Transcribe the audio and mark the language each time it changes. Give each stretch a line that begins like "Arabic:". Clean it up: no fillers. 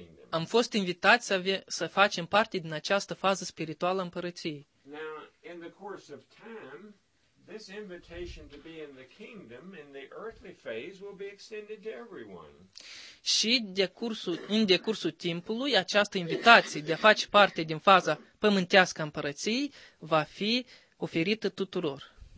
Romanian: Am fost invitați să facem parte din această fază spirituală a împărăției.
English: Now, in the course of time, this invitation to be in the kingdom in the earthly phase will be extended to everyone.
Romanian: Și în decursul timpului, această invitație de a face parte din faza pământească a împărăției va fi oferită tuturor.